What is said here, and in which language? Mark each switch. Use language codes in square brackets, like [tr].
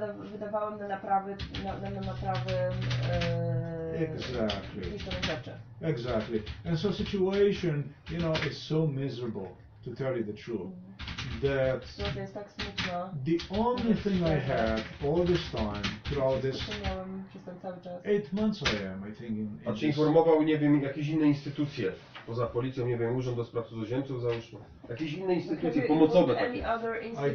[pl] Wydawałem na naprawy, na naprawy. [en] Exactly. Exactly. And so situation, you know, is so miserable, to tell you the truth. That the only thing I had all this time, throughout this 8 months I am, I think. [pl] A czy informował, nie wiem, jakieś inne instytucje, poza policją, nie wiem, Urząd do Spraw Cudzoziemców, załóżmy, jakieś inne instytucje pomocowe takie?